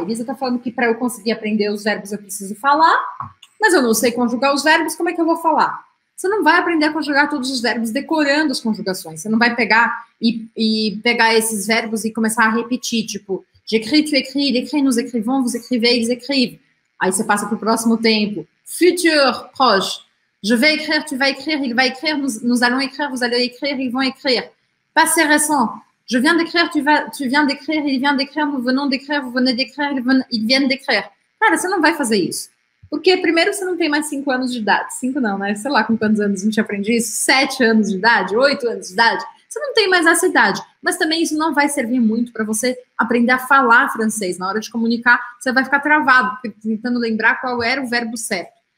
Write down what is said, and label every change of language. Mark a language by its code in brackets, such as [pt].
[pt] Elisa está falando que para eu conseguir aprender os verbos eu preciso falar, mas eu não sei conjugar os verbos. Como é que eu vou falar? Você não vai aprender a conjugar todos os verbos decorando as conjugações. Você não vai pegar e pegar esses verbos e começar a repetir, tipo, [fr] j'écris, tu écris, il écrit, nous écrivons, vous écrivez, ils écrivent. [pt] Aí você passa para o próximo tempo. [fr] Futur, proche. Je vais écrire, tu vas écrire, il va écrire, nous allons écrire, vous allez écrire, ils [pt] vão [fr] écrire. Passé récent. Je viens d'écrire, tu viens d'écrire, il vient d'écrire, nous venons d'écrire, vous venez d'écrire, ils viennent d'écrire. [pt] Cara, você não vai fazer isso. Porque, primeiro, você não tem mais 5 anos de idade. 5 não, né? Sei lá com quantos anos a gente aprende isso. 7 anos de idade, 8 anos de idade. Você não tem mais essa idade. Mas também isso não vai servir muito para você aprender a falar francês. Na hora de comunicar, você vai ficar travado, tentando lembrar qual era o verbo certo.